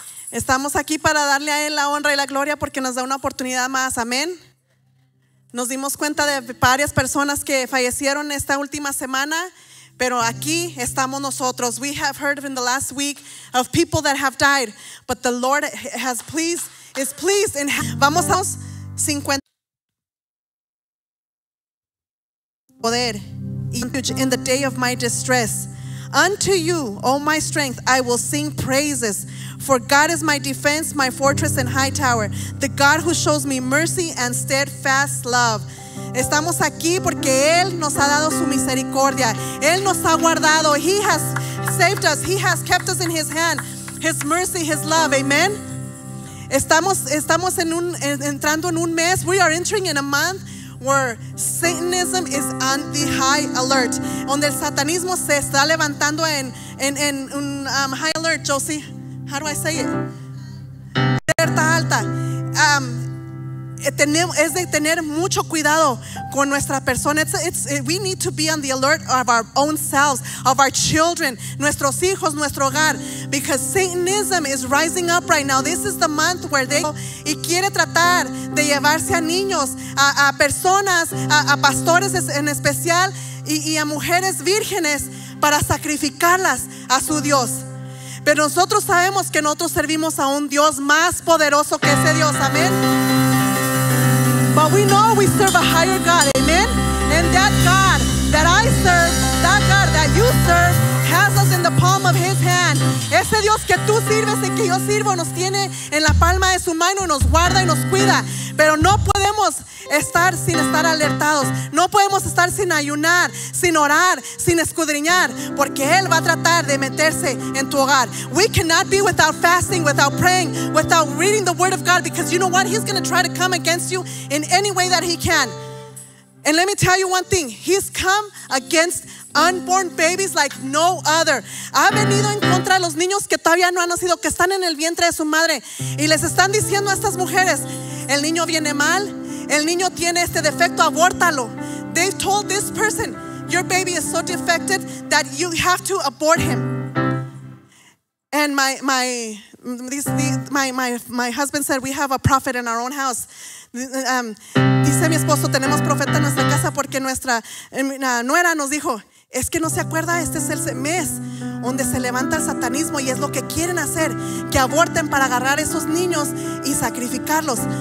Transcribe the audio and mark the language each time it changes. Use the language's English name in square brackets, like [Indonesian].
[Spanish] Estamos aquí para darle a Él la honra y la gloria porque nos da una oportunidad más. Amén. Nos dimos cuenta de varias personas que fallecieron esta última semana, pero aquí estamos nosotros. [English] We have heard in the last week of people that have died, but the Lord has pleased, is pleased. In vamos a 50 poder. In the day of my distress, unto you, O my strength, I will sing praises. For God is my defense, my fortress and high tower, the God who shows me mercy and steadfast love. [Spanish] Estamos aquí porque Él nos ha dado su misericordia. Él nos ha guardado. [English] He has saved us. He has kept us in His hand. His mercy, His love. Amen. [Spanish] Estamos entrando en un mes. [English] We are entering in a month where Satanism is on the high alert. [Spanish] Donde el satanismo se está levantando en high alert, Josie. [English] How do I say it? [Spanish] Alerta alta. Es de tener mucho cuidado con nuestra persona. [English] We need to be on the alert of our own selves, of our children, [Spanish] nuestros hijos, nuestro hogar, [English] because Satanism is rising up right now. This is the month where they [Spanish] y quiere tratar de llevarse a niños, a personas, a pastores en especial y a mujeres vírgenes para sacrificarlas a su Dios. Pero nosotros sabemos que nosotros servimos a un Dios más poderoso que ese Dios, amén. [English] But we know we serve a higher God, amen. And that God that I serve, that God that you serve, has us in the palm of His hand. [Spanish] Ese Dios que tú sirves y que yo sirvo nos tiene en la palma de su mano y nos guarda y nos cuida. Pero no podemos estar sin estar alertados. No podemos estar sin ayunar, sin orar, sin escudriñar, porque Él va a tratar de meterse en tu hogar. [English] We cannot be without fasting, without praying, without reading the Word of God, because you know what? He's going to try to come against you in any way that He can. And let me tell you one thing. He's come against unborn babies like no other. [Spanish] Ha venido en contra de los niños que todavía no han nacido, que están en el vientre de su madre, y les están diciendo a estas mujeres, el niño viene mal, el niño tiene este defecto, abórtalo. [English] They've told this person, your baby is so defective that you have to abort him. And my husband said, we have a prophet in our own house. [Spanish] Dice mi esposo, tenemos profeta en nuestra casa, porque nuestra nuera nos dijo, es que no se acuerda, este es el mes donde se levanta el satanismo y es lo que quieren hacer, que aborten para agarrar esos niños y sacrificarlos.